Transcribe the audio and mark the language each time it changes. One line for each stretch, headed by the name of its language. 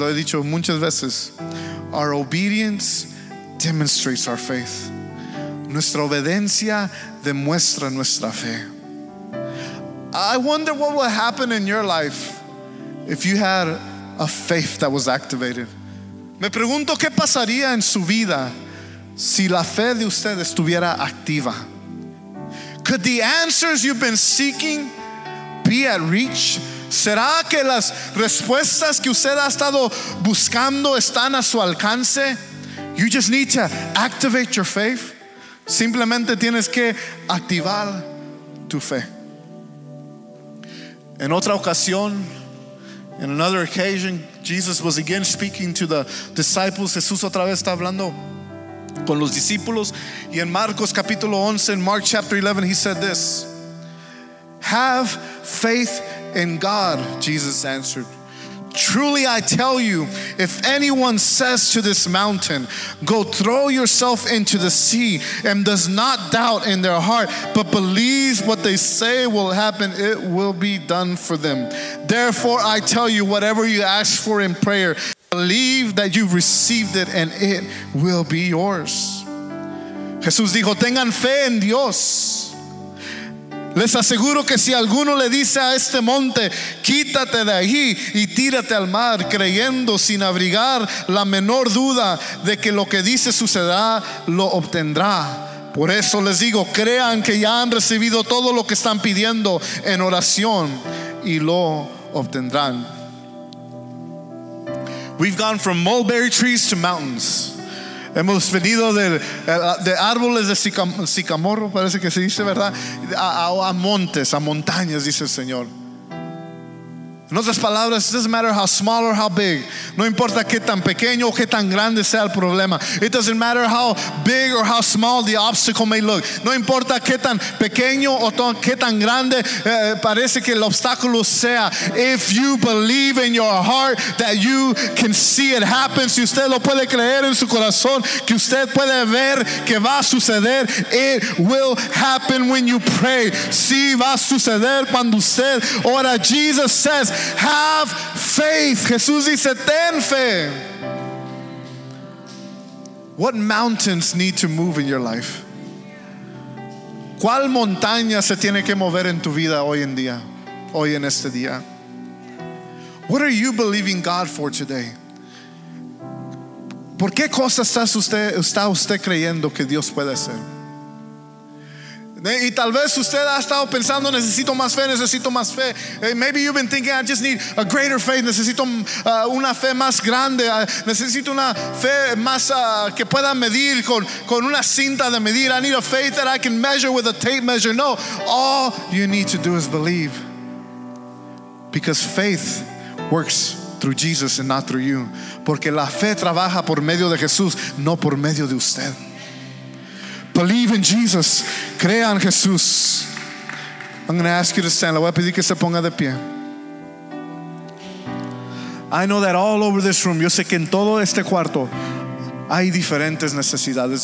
Spanish: Lo he dicho muchas veces.
English: Our obedience demonstrates our faith.
Spanish: Nuestra obediencia demuestra nuestra fe.
English: I wonder what would happen in your life if you had a faith that was activated.
Spanish: Me pregunto qué pasaría en su vida si la fe de usted estuviera activa.
English: Could the answers you've been seeking be at reach?
Spanish: ¿Será que las respuestas que usted ha estado buscando están a su alcance?
English: You just need to activate your faith.
Spanish: Simplemente tienes que activar tu fe. En otra ocasión,
English: in another occasion, Jesus was again speaking to the disciples.
Spanish: Jesús otra vez está hablando con los discípulos. Y en Marcos capítulo 11,
English: in Mark chapter 11, he said this. Have faith in God, Jesus answered. Truly I tell you, if anyone says to this mountain, go throw yourself into the sea, and does not doubt in their heart, but believes what they say will happen, it will be done for them. Therefore I tell you, whatever you ask for in prayer, believe that you've received it, and it will be yours.
Spanish: Jesús dijo, tengan fe en Dios. Les aseguro que si alguno le dice a este monte, quítate de allí y tírate al mar, creyendo sin abrigar la menor duda de que lo que dice sucederá, lo obtendrá. Por eso les digo, crean que ya han recibido todo lo que están pidiendo en oración y lo obtendrán.
English: We've gone from mulberry trees to mountains.
Spanish: Hemos venido de árboles de sicamoro, parece que se dice, ¿verdad? A montes, a montañas, dice el Señor. En otras palabras,
English: it doesn't matter how small or how big.
Spanish: No importa qué tan pequeño o qué tan grande sea el problema.
English: It doesn't matter how big or how small the obstacle may look.
Spanish: No importa qué tan pequeño o qué tan grande parece que el obstáculo sea.
English: If you believe in your heart that you can see it happen,
Spanish: si usted lo puede creer en su corazón, que usted puede ver que va a suceder,
English: it will happen when you pray.
Spanish: Sí, va a suceder cuando usted ora.
English: Jesus said, have faith.
Spanish: Jesús dice, ten fe.
English: What mountains need to move in your life?
Spanish: ¿Cuál montaña se tiene que mover en tu vida hoy en día? Hoy en este día.
English: What are you believing God for today?
Spanish: ¿Por qué cosa está usted creyendo que Dios puede hacer? Y tal vez usted ha estado pensando, necesito más fe, necesito más fe.
English: Maybe you've been thinking, I just need a greater faith.
Spanish: Necesito una fe más grande. Necesito una fe más que pueda medir con una cinta de medir.
English: I need a faith that I can measure with a tape measure. No, all you need to do is believe. Because faith works through Jesus and not through you.
Spanish: Porque la fe trabaja por medio de Jesús, no por medio de usted.
English: Believe in Jesus.
Spanish: Crea en Jesús.
English: I'm going to ask you to stand.
Spanish: Le voy a pedir que se ponga de pie.
English: I know that all over this room,
Spanish: yo sé que en todo este cuarto hay diferentes necesidades.